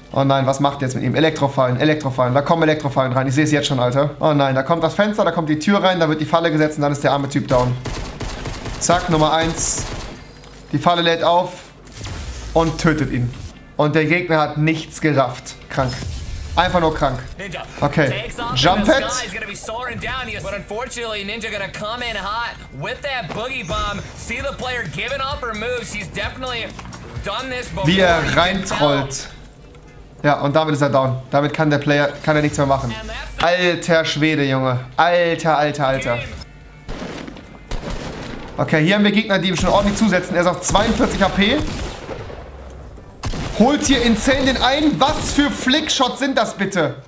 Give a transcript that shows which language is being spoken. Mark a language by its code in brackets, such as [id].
[de] Oh nein, was macht er jetzt mit ihm? Elektrofallen. Da kommen Elektrofallen rein. Ich sehe es jetzt schon, Alter. Oh nein, da kommt das Fenster, da kommt die Tür rein. Da wird die Falle gesetzt und dann ist der arme Typ down. Zack, Nummer 1. Die Falle lädt auf. Und tötet ihn. Und der Gegner hat nichts gerafft. Krank. Einfach nur krank. Okay. Jump Pad. [en] But unfortunately, Ninja gonna come in hot with that boogie bomb. See the player giving up her moves. She's definitely done this before. [de] Wie er reintrollt. Ja, und damit ist er down. Damit kann der Player nichts mehr machen. Alter Schwede, Junge. Alter. Okay, hier haben wir Gegner, die ihm schon ordentlich zusetzen. Er ist auf 42 HP. holt hier insane den ein. Was für Flickshots sind das bitte?